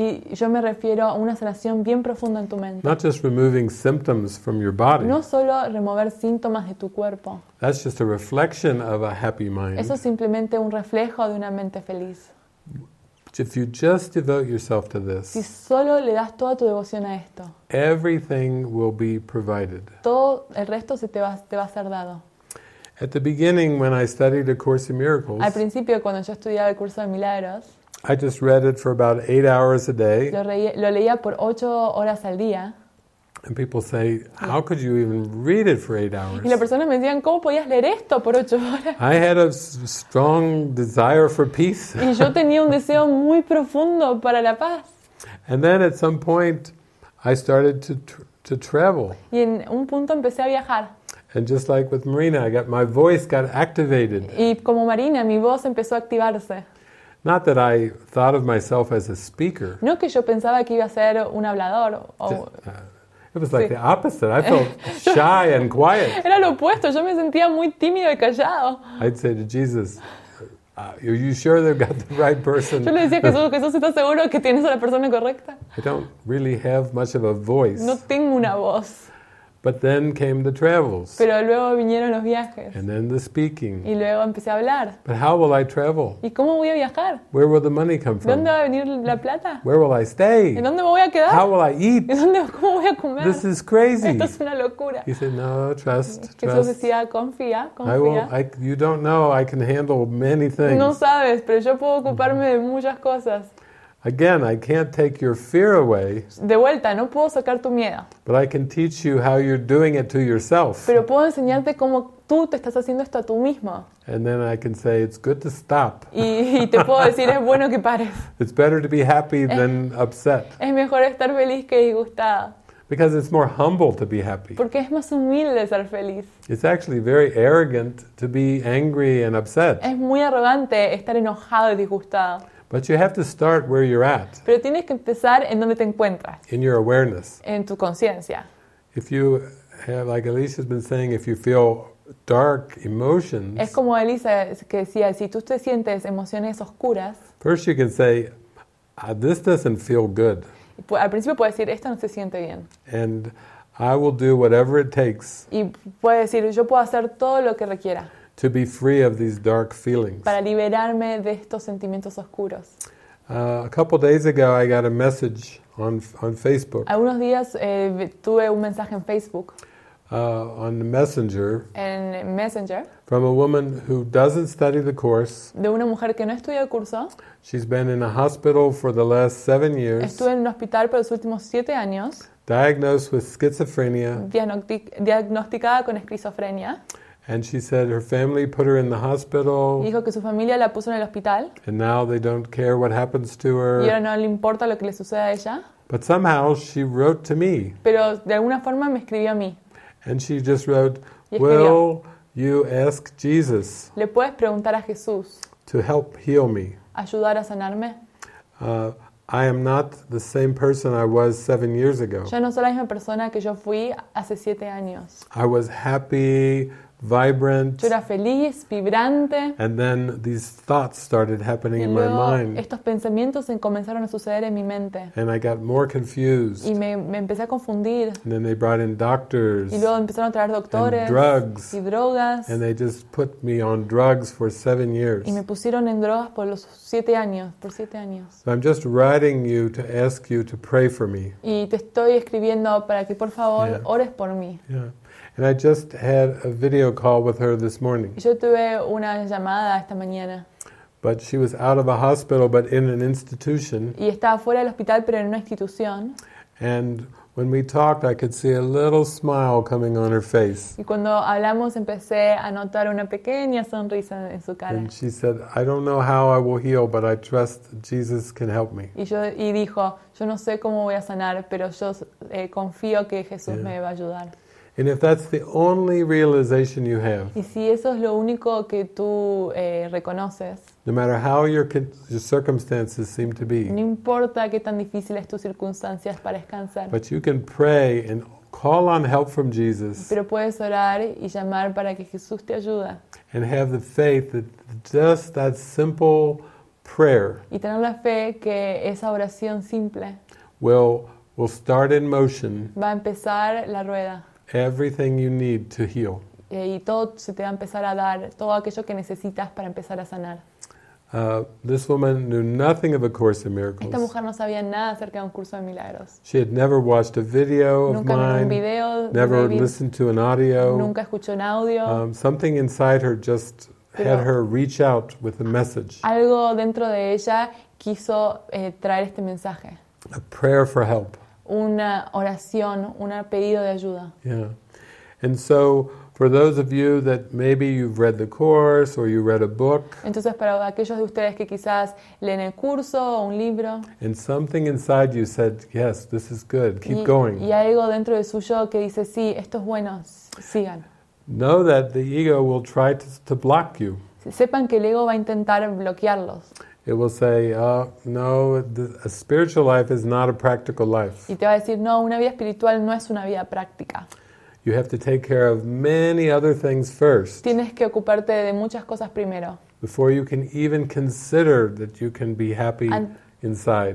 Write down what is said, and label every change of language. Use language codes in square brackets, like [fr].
[es] Y yo me refiero a una sanación bien profunda en tu mente. [en] Not just removing symptoms from your body. [es] No solo remover síntomas de tu cuerpo. [en] That's just a reflection of a happy mind. [es] Eso es simplemente un reflejo de una mente feliz. [en] If you just devote yourself to this, [es] si solo le das toda tu devoción a esto, [en] everything will be provided. [es] Todo el resto te va a ser dado. [en] At the beginning, when I studied A Course in Miracles, [es] al principio cuando yo estudiaba el curso de milagros, [en] I just read it for about 8 hours a day. [es] Lo leía por 8 horas al día. [en] And people say, how could you even read it for 8 hours? [es] Y las personas me decían, ¿cómo podías leer esto por 8 horas? [en] I had a strong desire for peace. [es] Y yo tenía un deseo muy profundo para la paz. [en] And then at some point, I started to travel. [es] Y en un punto empecé a viajar. [en] And just like with Marina, I got my voice got activated. [es] Y como Marina, mi voz empezó a activarse. [en] Not that I thought of myself as a speaker. [es] No que yo pensaba que iba a ser un hablador. [en] It was like the opposite. I felt shy and quiet. [es] Era lo opuesto. Yo me sentía muy tímido y callado. [en] I'd say to Jesus, are you sure they've got the right person? [es] Yo le decía a Jesús, ¿estás seguro que tienes a la persona correcta? [en] I don't really have much of a voice. [es] No tengo una voz. [en] But then came the travels. [es] Pero luego vinieron los viajes. [en] And then the speaking. [es] Y luego empecé a hablar. [en] But how will I travel? [es] ¿Y cómo voy a viajar? [en] Where will the money come from? [es] ¿Dónde va a venir la plata? [en] Where will I stay? [es] ¿En dónde me voy a quedar? [en] How will I eat? [es] ¿En dónde, cómo voy a comer? [en] This is crazy. [es] Esto es una locura. [en] He said, no, trust, trust. [es] Jesús decía, confía, confía. [en] You don't know, I can handle many things. [es] No sabes, pero yo puedo ocuparme de muchas cosas. [en] Again, I can't take your fear away. [es] De vuelta, no puedo sacar tu miedo. [en] But I can teach you how you're doing it to yourself. [es] Pero puedo enseñarte cómo tú te estás haciendo esto a tú mismo. [en] And then I can say it's good to stop. [es] Y te puedo decir es bueno que pares. [en] It's better to be happy than upset. [es] Es mejor estar feliz que disgustada. [en] Because it's more humble to be happy. [es] Porque es más humilde ser feliz. [en] It's actually very arrogant to be angry and upset. [es] Es muy arrogante estar enojado y disgustada. [en] But you have to start where you're at. [es] Pero tienes que empezar en donde te encuentras. [en] In your awareness. [es] En tu conciencia. [en] If you have, like Elisa has been saying, if you feel dark emotions. [es] Es como Elisa que decía, si tú te sientes emociones oscuras. [en] First you can say, this doesn't feel good. [es] Al principio puedes decir, esto no se siente bien. [en] And I will do whatever it takes. [es] Y puedes decir, yo puedo hacer todo lo que requiera. [en] To be free of these dark feelings. [es] Para liberarme de estos sentimientos oscuros. [en] A couple days ago, I got a message on Facebook. [es] Algunos días tuve un mensaje en Facebook. [en] On the Messenger. [es] En Messenger. [en] From a woman who doesn't study the course. [es] De una mujer que no estudia el curso. [en] She's been in a hospital for the last 7 years. [es] Estuve en un hospital por los últimos 7 años. [en] Diagnosed with schizophrenia. [es] Diagnosticada con esquizofrenia. [en] And she said her family put her in the hospital. [es] Dijo que su familia la puso en el hospital. [en] And now they don't care what happens to her. [es] Y ahora no le importa lo que le suceda a ella. [en] But somehow she wrote to me. [es] Pero de alguna forma me escribió a mí. [en] And she just wrote, [es] y escribió, [en] "Will you ask Jesus? [es] ¿Le puedes preguntar a Jesús? [en] To help heal me. [es] Ayudar a sanarme. [en] I am not the same person I was 7 years ago. [es] Ya no soy la misma persona que yo fui hace 7 años. [en] I was happy. Vibrant. [es] Yo era feliz, vibrante. [en] And then these thoughts started happening [es] y [en] in my mind. [es] Estos pensamientos comenzaron a suceder en mi mente. [en] And I got more confused. [es] Y me empecé a confundir. [en] And then they brought in doctors. [es] Y luego empezaron a traer doctores. [en] And drugs. [es] Y drogas. [en] And they just put me on drugs for 7 years. [es] Y me pusieron en drogas por los 7 años. Por 7 años. [en] So I'm just writing you to ask you to pray for me. [es] Y te estoy escribiendo para que por favor ores por mí. [en] Yeah. And I just had a video call with her this morning. [es] Yo tuve una llamada esta mañana. [en] But she was out of a hospital, but in an institution. [es] Y estaba fuera del hospital, pero en una institución. [en] And when we talked, I could see a little smile coming on her face. [es] Y cuando hablamos, empecé a notar una pequeña sonrisa en su cara. [en] And she said, "I don't know how I will heal, but I trust Jesus can help me." [es] Y dijo, "Yo no sé cómo voy a sanar, pero yo confío que Jesús me va a ayudar." [en] And if that's the only realization you have, [es] y si eso es lo único que tú reconoces, [en] no matter how your circumstances seem to be, [es] no importa qué tan difíciles tus circunstancias parezcan ser, [en] but you can pray and call on help from Jesus, [es] pero puedes orar y llamar para que Jesús te ayude, [en] and have the faith that just that simple prayer, [es] y tener la fe que esa oración simple, [en] will start in motion, [es] va a empezar la rueda. [en] Everything you need to heal. [es] Y todo se te va a empezar a dar, todo aquello que necesitas para empezar a sanar. [en] This woman knew nothing of a Course in Miracles. [es] Esta mujer no sabía nada acerca de un curso de milagros. [en] She had never watched a video of mine. [es] Nunca vi un video. [en] Never listened to an audio. [es] Nunca escuchó un audio. [en] Something inside her just had her reach out with a message. [es] Algo dentro de ella quiso traer este mensaje. [en] A prayer for help. [es] una oración, un pedido de ayuda. [en] Yeah. And so, for those of you that maybe you've read the course or you read a book. [es] Entonces, para aquellos de ustedes que quizás leen el curso o un libro. [en] And something inside you said, yes, this is good, keep going. [es] Y algo dentro de su yo que dice, sí, esto es bueno, sigan. [en] Know that the ego will try to block you. [es] Sepan que el ego va a intentar bloquearlos. [en] It will say, no, a spiritual life is not a practical life. [es] Y te va a decir, no, una vida espiritual no es una vida práctica. [en] You have to take care of many other things first. [es] Tienes que ocuparte de muchas cosas primero. [en] Before you can even consider that you can be happy inside.